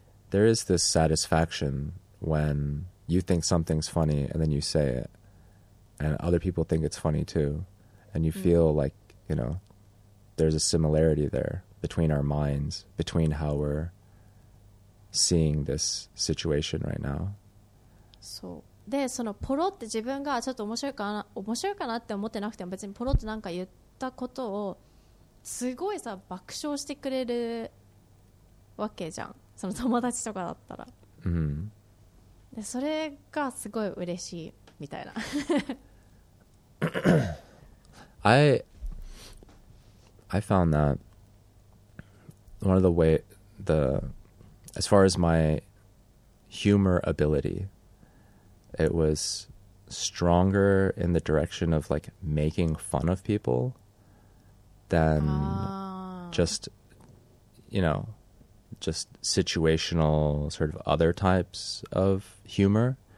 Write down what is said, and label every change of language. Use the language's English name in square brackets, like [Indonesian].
[English] There is this satisfaction when you think something's funny and then you say it and other people think it's funny too and you feel like, you know, there's a similarity there between our minds, between how we're seeing this situation right now. [Japanese] So, で、そのポロって自分がちょっと面白いかなって思ってなくても別にポロってなんか言ったことをすごいさ爆笑してくれるわけじゃんその友達とかだったら、でそれがすごい嬉しいみたいな [English] I found that one of the way the as far as my humor ability it was stronger in the direction of like making fun of peoplethan just, you know, just situational sort of other types of humor.